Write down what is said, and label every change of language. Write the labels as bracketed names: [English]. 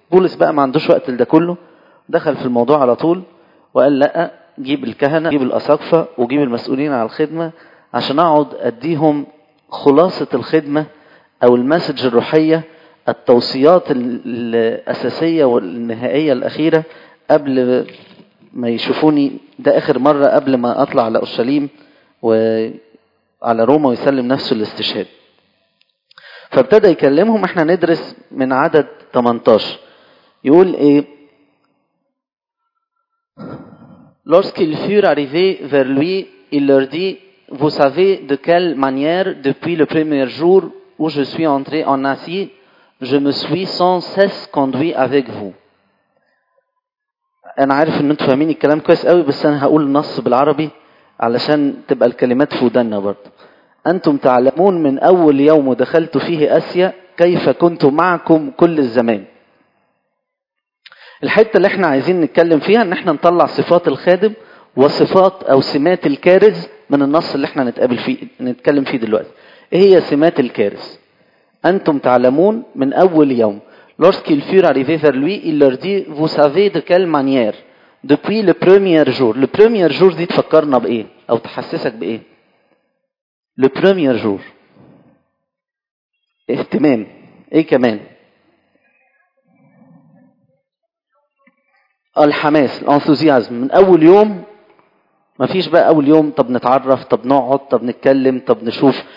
[Arabic] بولس بقى ما عندوش وقت لده كله، دخل في الموضوع على طول وقال لأ، جيب الكهنة، جيب الأساقفة، وجيب المسؤولين على الخدمة عشان أقعد أديهم خلاصة الخدمة أو المسج الروحية، التوصيات الأساسية والنهائية الأخيرة قبل ما يشوفوني ده آخر مرة قبل ما أطلع على أورشليم وعلى روما ويسلم نفسه الاستشهاد. فابتدى يكلمهم. احنا ندرس من عدد 18، يقول ايه؟ [French] Lorsqu'ils furent arrivés vers lui, il leur dit « Vous savez de quelle manière, depuis le premier jour où je suis entré en Asie, je me suis sans cesse conduit avec vous. » [Arabic] انا عارف ان انتوا فاهمين الكلام كويس قوي، بس انا هقول النص بالعربي علشان تبقى الكلمات في ودننا برضه. انتم تعلمون من اول يوم دخلت فيه اسيا كيف كنت معكم كل الزمان. الحته اللي احنا عايزين نتكلم فيها ان احنا نطلع صفات الخادم وصفات او سمات الكارز من النص اللي احنا نتكلم فيه دلوقتي. ايه هي سمات الكارز؟ انتم تعلمون من اول يوم. [French] Lorsqu'il fut arrivé vers lui, il leur dit vous savez de quelle manière depuis le premier jour. Le premier jour [Arabic] دي تفكرنا بايه او تحسسك بايه؟ Le premier jour، اهتمام. ايه كمان؟ الحماس، الانثوزيازم. من اول يوم، ما فيش بقى اول يوم طب نتعرف طب نقعد طب نتكلم طب نشوف.